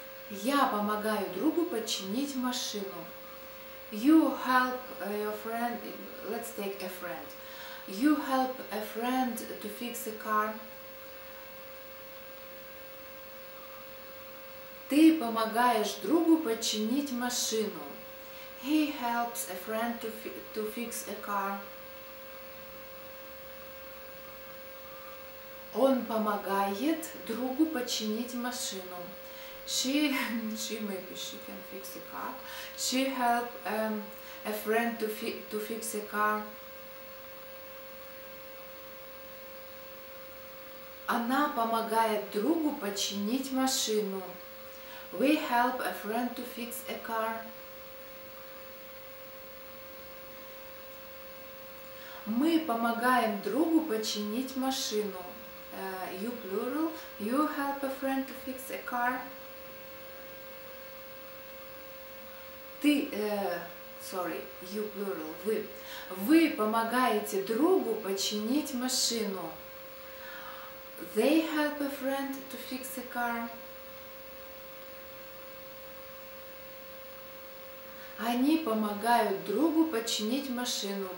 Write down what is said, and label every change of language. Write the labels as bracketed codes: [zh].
[ru] Я помогаю другу починить машину. [en] You help your friend, let's take a friend. You help a friend to fix a car. [ru] Ты помогаешь другу починить машину. [en] He helps a friend to fix a car. [ru] Он помогает другу починить машину. [en] She can fix a car. She help a friend to fix a car. [ru] Она помогает другу починить машину. [en] We help a friend to fix a car. [ru] Мы помогаем другу починить машину. [en] You plural. You help a friend to fix a car. You plural, вы. [ru] Вы помогаете другу починить машину. [en] They help a friend to fix a car. [ru] Они помогают другу починить машину.